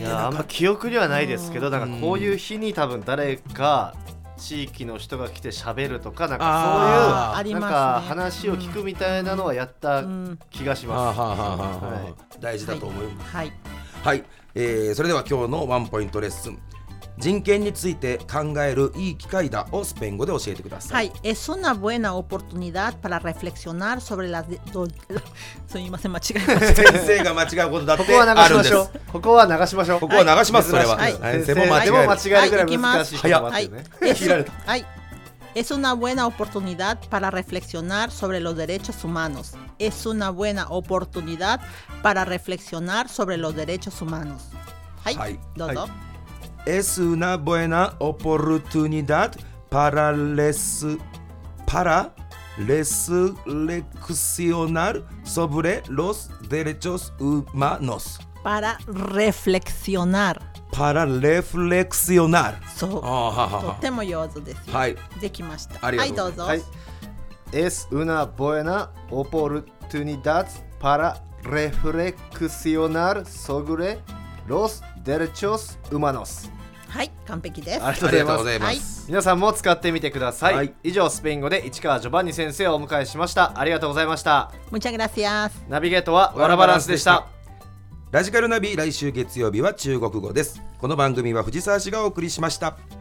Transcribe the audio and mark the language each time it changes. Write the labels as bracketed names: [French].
[Japanese] いや、あんま記憶にはないですけど、なんかこういう日に多分誰か地域の人が来て喋るとか、なんかそういうなんか話を聞くみたいなのはやった気がします。大事だと思います。はい、はいはい、それでは今日のワンポイントレッスン、人権について考えるいい機会だをスペイン語で教えてください。 [Spanish] はい、es una buena oportunidad para reflexionar sobre las [Japanese] すみません、間違えました。先生が間違うことだってあるんです。ここは流しましょう、ここは流しましょう、ここは流します。それは、先生も間違えるぐらい難しい人待ってね。 [Spanish] はい、es una buena oportunidad para reflexionar sobre los derechos humanos. Es una buena oportunidad para reflexionar sobre los derechos humanos. [Japanese] はい、はい、どうぞ、はい。 [Spanish] Es una buena oportunidad para reflexionar sobre los derechos humanos. Para reflexionar. Para reflexionar. [Japanese] So, とても上手ですよ。はい。できました。ありがとうございます。はい、どうぞ。はい。 [Spanish] Es una buena oportunidad para reflexionar sobre los derechos humanos. [Japanese] はい、完璧です。ありがとうございます。はい、皆さんも使ってみてください。はい、以上、スペイン語で市川ジョバンニ先生をお迎えしました。ありがとうございました。 [Spanish] Muchas gracias。 [Japanese] ナビゲートはワラバランスでした。ラジカルナビ、来週月曜日は中国語です。この番組は藤沢氏がお送りしました。